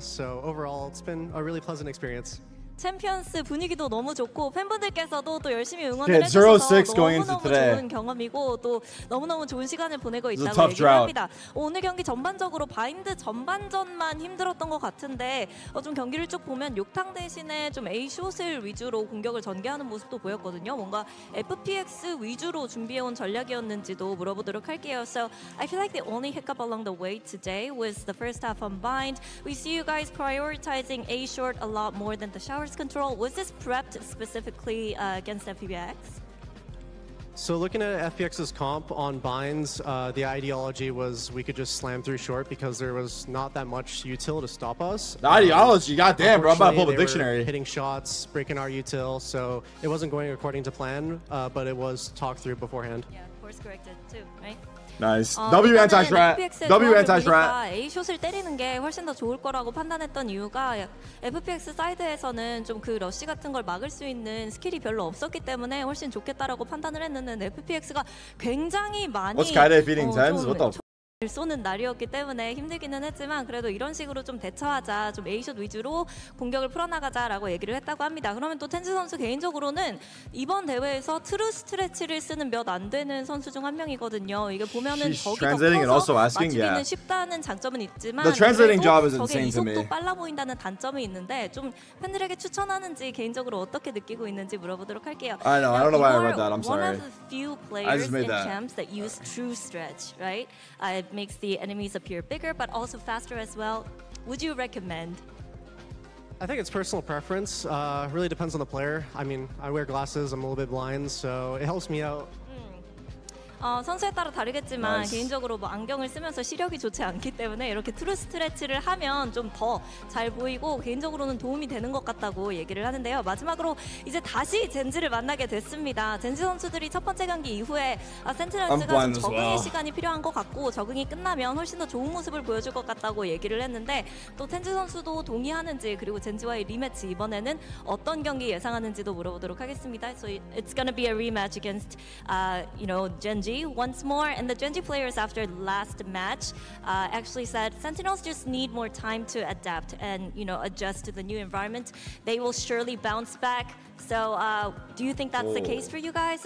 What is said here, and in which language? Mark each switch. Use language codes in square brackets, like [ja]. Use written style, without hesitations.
[en] So overall, it's been a really pleasant experience. [ko] 챔피언스 분위기도 너무 좋고 팬분들께서도 또 열심히 응원을 yeah, 해주셔서 너무너무 좋은 경험이고 또 너무너무 좋은 시간을 보내고 있다고 얘기를 합니다. 오늘 경기 전반적으로 바인드 전반전만 힘들었던 것 같은데 좀 경기를 쭉 보면 6탕 대신에 좀 A숏을 위주로 공격을 전개하는 모습도 보였거든요. 뭔가 FPX 위주로 준비해온 전략이었는지도 물어보도록 할게요. [en] So I feel like the only hiccup along the way today was the first half on bind. We see you guys prioritizing A-short a lot more than the shot. Towers control, was this prepped specifically against FPX? So looking at FPX's comp on binds, the ideology was we could just slam through short because there was not that much util to stop us. The ideology, goddamn, bro, I'm about to pull up a dictionary. Hitting shots, breaking our util, so it wasn't going according to plan, but it was talked through beforehand. Yeah, course corrected too, right? Nice. W anti-strat. W anti-strat. [ko] A숏을 때리는 게 훨씬 더 좋을 거라고 판단했던 이유가 FPX 사이드에서는 좀 그 러쉬 같은 걸 막을 수 있는 스킬이 별로 없었기 때문에 훨씬 좋겠다라고 판단을 했는데 FPX가 굉장히 많이 [en] What's Kaede feeding Tenz? What the f- [ko] 쏘는 날이었기 때문에 힘들기는 했지만 그래도 이런 식으로 좀 대처하자, 좀 A숏 위주로 공격을 풀어나가자라고 얘기를 했다고 합니다. 그러면 또 텐즈 선수 개인적으로는 이번 대회에서 트루 스트레치를 쓰는 몇 안 되는 선수 중 한 명이거든요. 이게 보면은 저기 더 커서 맞추기는 쉽다는 장점은 있지만 저게 이속도 빨라 보인다는 단점이 있는데 좀 팬들에게 추천하는지 개인적으로 어떻게 느끼고 있는지 물어보도록 할게요. [en] I know, I don't know why I read that. I'm sorry. One of the few players in champs that use true stretch, right? It makes the enemies appear bigger, but also faster as well. Would you recommend? I think it's personal preference. Really depends on the player. I mean, I wear glasses. I'm a little bit blind, so it helps me out. [ko] 선수에 따라 다르겠지만 nice. 개인적으로 뭐 안경을 쓰면서 시력이 좋지 않기 때문에 이렇게 트루 스트레치를 하면 좀 더 잘 보이고 개인적으로는 도움이 되는 것 같다고 얘기를 하는데요. 마지막으로 이제 다시 젠즈를 만나게 됐습니다. 젠즈 선수들이 첫 번째 경기 이후에 센트럴즈가 적응의 [en] well. [ko] 시간이 필요한 것 같고 적응이 끝나면 훨씬 더 좋은 모습을 보여줄 것 같다고 얘기를 했는데 또 텐즈 선수도 동의하는지 그리고 젠즈와의 리매치 이번에는 어떤 경기 예상하는지도 물어보도록 하겠습니다. [en] So it's gonna be a rematch against Gen Z once more, and the Gen Z players after last match actually said Sentinels just need more time to adapt and adjust to the new environment. They will surely bounce back. So do you think that's the case for you guys?